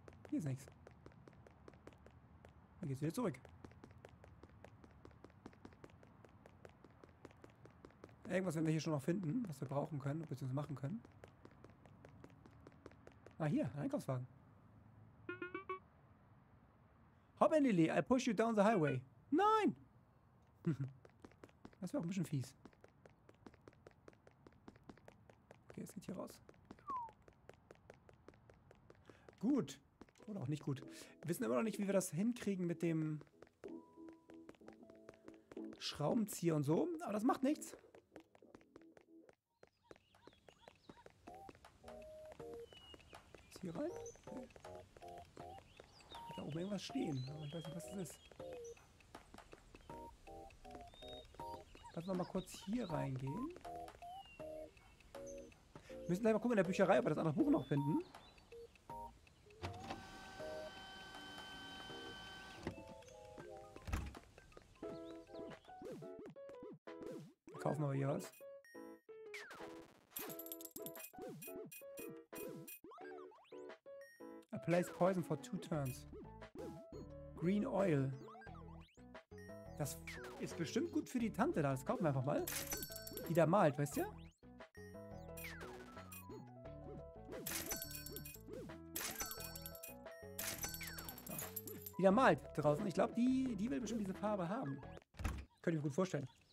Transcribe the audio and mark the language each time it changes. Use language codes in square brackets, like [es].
[de] Hier ist nichts. Dann geht's wieder zurück. Irgendwas werden wir hier schon noch finden, was wir brauchen können, bzw. machen können. Ah, hier, ein Einkaufswagen. [en] Hop in, Lily, I'll push you down the highway. [de] Nein! Das wäre auch ein bisschen fies. Okay, es geht hier raus. Gut. Oder auch nicht gut. Wir wissen immer noch nicht, wie wir das hinkriegen mit dem Schraubenzieher und so. Aber das macht nichts. Hier rein. Okay. Da oben irgendwas stehen. Aber ich weiß nicht, was das ist. Lass mal kurz hier reingehen. Wir müssen gleich mal gucken in der Bücherei, ob wir das andere Buch noch finden. Kaufen wir hier was. [en] Place poison for two turns. Green oil. [de] Das ist bestimmt gut für die Tante da. Das kaufen wir einfach mal. Die da malt, weißt du? So. Die da malt draußen. Ich glaube, die will bestimmt diese Farbe haben. Könnte ich mir gut vorstellen.